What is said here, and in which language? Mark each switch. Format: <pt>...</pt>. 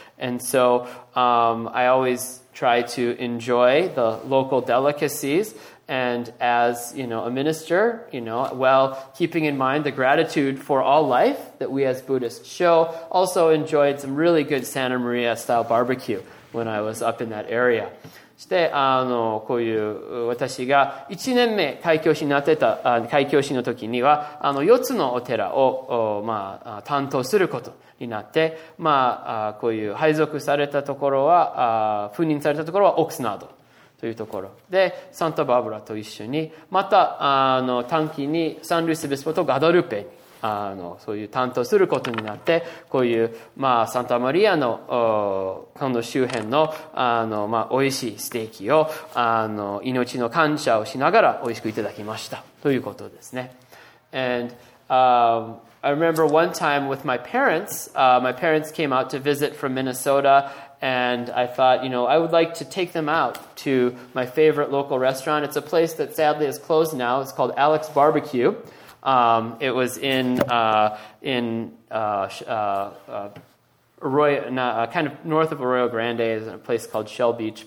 <en>And so I always try to enjoy the local delicacies. And as, you know, a minister, you know, while keeping in mind the gratitude for all life that we as Buddhists show, also enjoyed some really good Santa Maria style barbecue when I was up in that area.</en> <ja>そして、こういう、私が1年目開教師になってた、開教師の時には、4つのお寺を、まあ、担当することになって、まあ、こういう配属されたところは、赴任されたところはオクスナードというところで、サンタバーブラと一緒に、また、短期にサンルイス・ビスポとガドルペに、そういう担当することになって、こういう、まあ、サンタマリアの、この周辺の、まあ、美味しいステーキを、命の感謝をしながら美味しくいただきました。ということですね。</ja> <en>And, I remember one time with my parents came out to visit from Minnesota, and I thought, you know, I would like to take them out to my favorite local restaurant. It's a place that sadly is closed now. It's called Alex Barbecue. It was kind of north of Arroyo Grande, is a place called Shell Beach.</en>